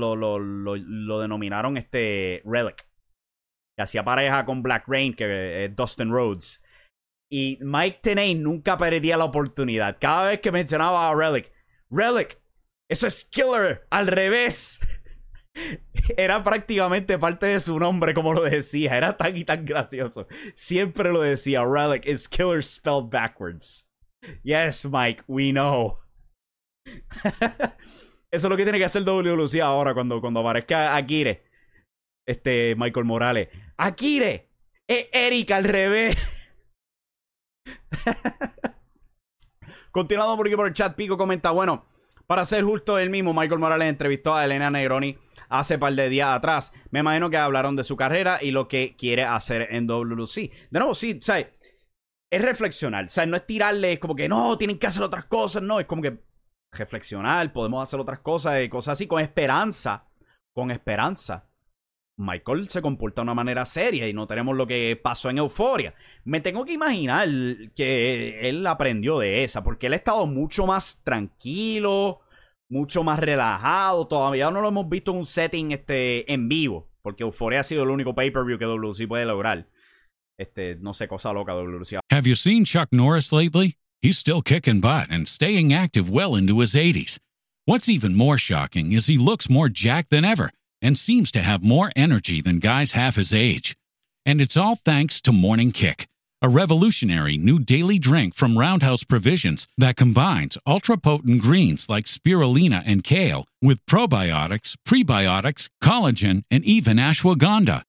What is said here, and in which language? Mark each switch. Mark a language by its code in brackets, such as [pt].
[es] Lo denominaron Relic. Que hacía pareja con Black Rain, que Dustin Rhodes. Y Mike Tenay nunca perdía la oportunidad. Cada vez que mencionaba a Relic. ¡Relic! ¡Eso es Killer! ¡Al revés! Era prácticamente parte de su nombre, como lo decía. Era tan y tan gracioso. Siempre lo decía. [en] Relic is Killer spelled backwards. Yes, Mike. We know. [es] Eso es lo que tiene que hacer WC ahora cuando aparezca Akira. este Michael Morales. Akire es Erika al revés. Continuando por aquí por el chat, Pico comenta, bueno, para ser justo él mismo, Michael Morales entrevistó a Elena Negroni hace par de días atrás. Me imagino que hablaron de su carrera y lo que quiere hacer en WWC. De nuevo, sí, o sea, es reflexionar. O sea, no es tirarle, es como que no, tienen que hacer otras cosas. No, es como que reflexionar, podemos hacer otras cosas y cosas así, con esperanza. Con esperanza. Michael se comporta de una manera seria y no tenemos lo que pasó en Euforia. Me tengo que imaginar que él aprendió de esa, porque él ha estado mucho más tranquilo, mucho más relajado. Todavía no lo hemos visto en un setting en vivo, porque Euforia ha sido el único pay-per-view que WWE puede lograr. No sé, cosa loca WWE. [en] Have you seen Chuck Norris lately? He's still kicking butt and staying active well into his 80s. What's even more shocking is he looks more jacked than ever and seems to have more energy than guys half his age. And it's all thanks to Morning Kick, a revolutionary new daily drink from Roundhouse Provisions that combines ultra-potent greens like spirulina and kale with probiotics, prebiotics, collagen, and even ashwagandha.